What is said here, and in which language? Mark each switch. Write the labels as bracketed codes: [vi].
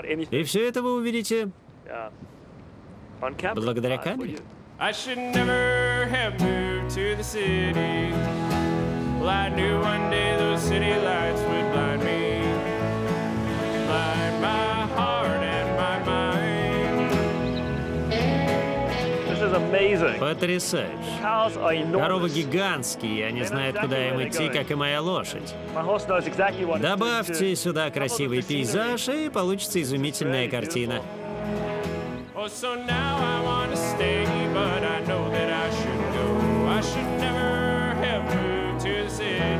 [ru] И все это вы увидите благодаря камере. [en] I should never have moved to the city. Well, I knew one day those city lights would blind me. Blind my heart and my mind. This is amazing. [ru] Потрясающе. Коровы гигантские, они знают, куда им идти, как и моя лошадь. Добавьте сюда красивый пейзаж, и получится изумительная картина. [en] Oh, so now I want to stay, but I know that I should go. I should never have moved to the city.